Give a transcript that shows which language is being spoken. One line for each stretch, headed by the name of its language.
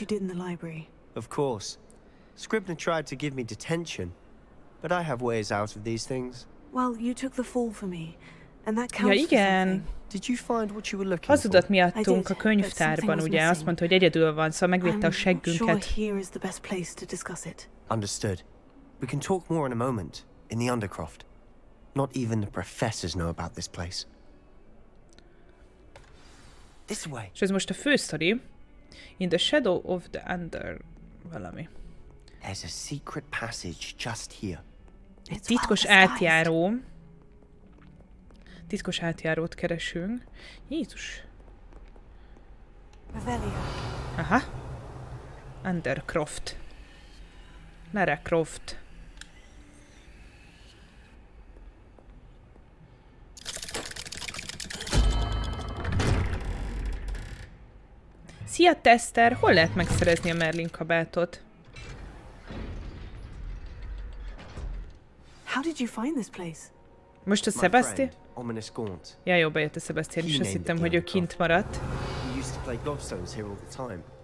English: Let me thank you for what you did in the library. Of course. Scribner tried to give me detention, but I have ways out of these things. Well, you took the fall for me, and that counts
Hungarian: ja, igen.
English: Did you find what you were looking for?
Hungarian: Hazudott miattunk a könyvtárban, ugye? Azt mondta, hogy egyedül van, szóval megvédte a seggünket.
English: I'm sure here is the best place to discuss it. Understood. We can talk more in a moment, in the Undercroft. Not even the professors know about this place. This way.
Hungarian: És ez most a fősztori.
English: In the shadow of the under...
Hungarian: valami.
English: There's a secret passage just here. It's titkos well átjáró.
Hungarian: Titkos átjárót keresünk. Jézus. Aha. Undercroft. Lara Croft. Szia, Tester! Hol lehet megszerezni a Merlin kabátot?
English: How did you find this place?
Hungarian: Most a Sebastian?
English: My friend, ominous gaunt.
Hungarian: Ja, jó, bejött a Sebastian, és azt hittem, hogy ő kint maradt.
English: We used to play gobstones here all the time.